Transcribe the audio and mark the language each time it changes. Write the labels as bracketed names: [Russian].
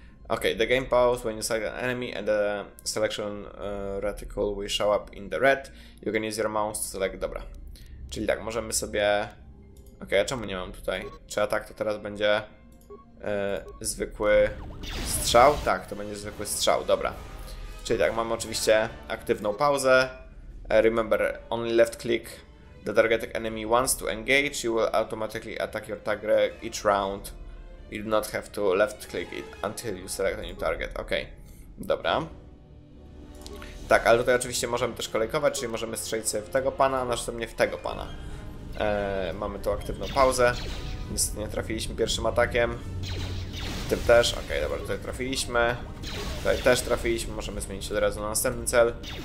[English] Okay, the game pause when you select an enemy and the selection reticle will show up in the red. You can use your mouse to select... [Polish] Dobra. Czyli tak, możemy sobie... Okay, a czemu nie mam tutaj? Czy atak to teraz będzie zwykły strzał? Tak, to będzie zwykły strzał, dobra. Czyli tak, mamy oczywiście aktywną pauzę. [English] Remember, only left click the targeted enemy once to engage. You will automatically attack your target each round. You do not have to left click it until you select a new target. [Polish] Okej, okay. Dobra. Tak, ale tutaj oczywiście możemy też kolejkować, czyli możemy strzelić sobie w tego pana, a następnie w tego pana. Mamy tu aktywną pauzę. Niestety nie trafiliśmy pierwszym atakiem. Tym też. Okej, okay, dobra, tutaj trafiliśmy. Tutaj też trafiliśmy, możemy zmienić się od razu na następny cel.